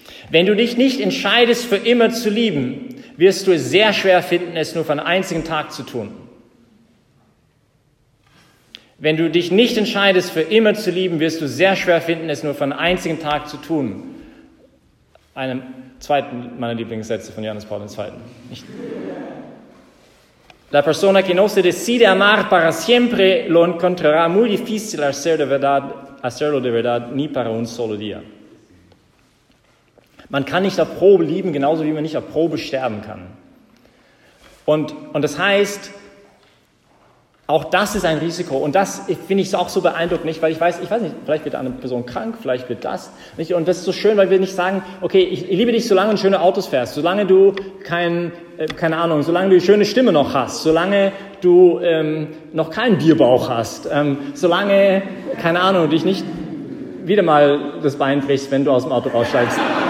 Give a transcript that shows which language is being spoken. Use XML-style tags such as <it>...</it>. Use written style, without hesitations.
<de>Wenn du dich nicht entscheidest, für immer zu lieben, wirst du es sehr schwer finden, es nur für einen einzigen Tag zu tun. Wenn du dich nicht entscheidest, für immer zu lieben, wirst du es sehr schwer finden, es nur für einen einzigen Tag zu tun. Einem zweiten meiner Lieblingssätze von Johannes Paul II. Nicht?</de> <es>La persona</es> <it>che non si decide</it> <es>amar para siempre lo encontrará muy difícil hacerlo de verdad ni para un solo día.</es> <de>Man kann nicht auf Probe lieben, genauso wie man nicht auf Probe sterben kann. Und das heißt, auch das ist ein Risiko. Und das finde ich auch so beeindruckend, nicht? Weil ich weiß nicht, vielleicht wird eine Person krank, vielleicht wird das, nicht? Und das ist so schön, weil wir nicht sagen, okay, ich liebe dich, solange du schöne Autos fährst, solange du solange du eine schöne Stimme noch hast, solange du noch keinen Bierbauch hast, solange, keine Ahnung, dich nicht wieder mal das Bein brichst, wenn du aus dem Auto raussteigst.</de>